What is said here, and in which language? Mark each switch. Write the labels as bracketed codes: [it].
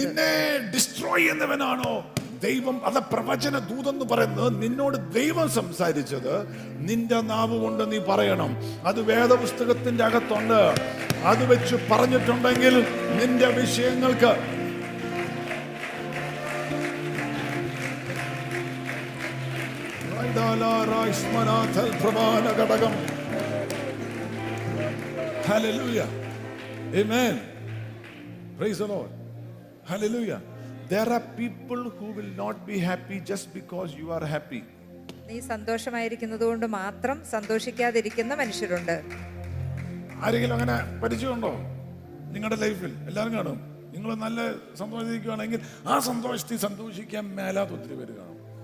[ml] നിന്നെ ഡിസ്ട്രോയ് ചെയ്യുന്നവനാണോ ദൈവം അത് പ്രവചന ദൂതൻ എന്ന് പറയുന്നത് നിന്നോട് ദൈവം സംസാരിച്ചത് നിന്റെ നാവ് കൊണ്ട് നീ പറയണം അത് വേദപുസ്തകത്തിന്റെ അകത്തുണ്ട് അത് വെച്ച് പറഞ്ഞിട്ടുണ്ടെങ്കിൽ നിന്റെ വിഷയങ്ങൾക്ക് പ്രധാന ഘടകം Hallelujah. [en] Amen. Praise the Lord. Hallelujah. There are people who will not be happy just because you are happy. [ml] നീ സന്തോഷമായിരിക്കുന്നതുകൊണ്ട് മാത്രം സന്തോഷിക്കാതിരിക്കുന്ന മനുഷ്യരുണ്ട്. ആരെങ്കിലും അങ്ങനെ പരിചയമുണ്ടോ നിങ്ങളുടെ ലൈഫിൽ എല്ലാവരും കാണും നിങ്ങൾ നല്ല സന്തോഷിക്കുകയാണെങ്കിൽ ആ സന്തോഷത്തിൽ സന്തോഷിക്കാൻ മേലാത്ത ഒത്തിരി പേര് കാണും.